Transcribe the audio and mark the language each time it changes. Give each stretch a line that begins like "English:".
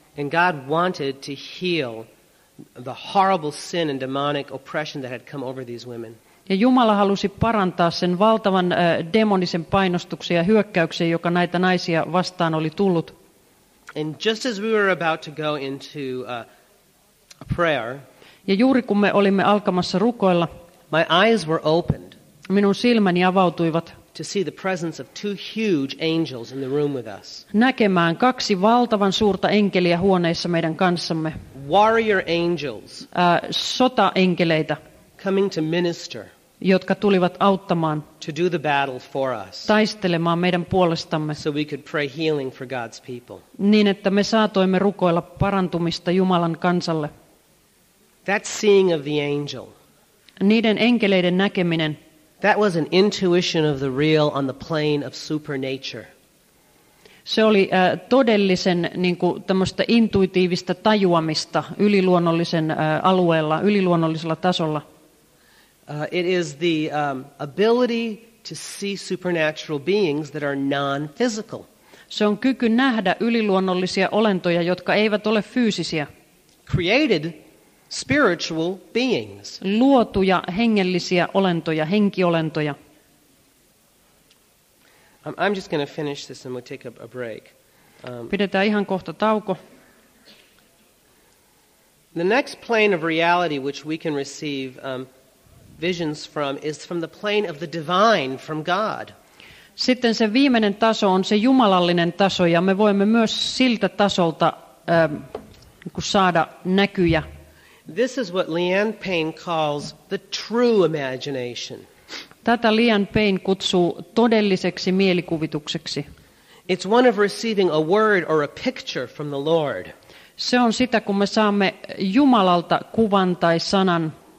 English: And God wanted to heal the horrible sin and demonic oppression that had come over these women.
Finnish: Ja Jumala halusi parantaa sen valtavan demonisen painostuksen ja hyökkäyksen, joka näitä naisia vastaan oli tullut.
English: And just as we were about to go into a prayer,
Finnish: ja juuri kun me olimme alkamassa rukoilla,
English: my eyes were opened.
Finnish: Minun silmäni avautuivat.
English: To see the presence of two huge angels in the room with us.
Finnish: Näkemään kaksi valtavan suurta enkeliä huoneessa meidän kanssamme.
English: Warrior angels.
Finnish: Sotaenkeleitä.
English: Coming to minister,
Finnish: jotka tulivat auttamaan,
English: to do the battle for us,
Finnish: taistelemaan meidän puolestamme,
English: so we could pray healing for God's people,
Finnish: niin että me saatoimme rukoilla parantumista Jumalan kansalle.
English: That seeing of the angel,
Finnish: niiden enkeleiden näkeminen,
English: that was an intuition of the real on the plane of supernature.
Finnish: Se oli todellisen niin kuin, tämmöistä intuitiivista tajuamista yliluonnollisen alueella, yliluonnollisella tasolla.
English: It is the ability to see supernatural beings that are non-physical.
Finnish: Se on kyky nähdä yliluonnollisia olentoja, jotka eivät ole fyysisiä.
English: Created spiritual beings.
Finnish: Luotuja hengellisiä olentoja, henkiolentoja.
English: I'm just going to finish this and we'll take a break.
Finnish: Pidetään ihan kohta tauko.
English: The next plane of reality which we can receive visions from is from the plane of the divine, from God.
Finnish: Sitten se viimeinen taso on se jumalallinen taso ja me voimme myös siltä tasolta saada näkyjä.
English: This is what Leanne Payne calls the true imagination.
Finnish: Tätä Liam Payne kutsuu todelliseksi mielikuvitukseksi.
English: It's one of receiving a word or a picture from the Lord.
Finnish: Se on sitä, kun me saamme Jumalalta kuvan tai sanan.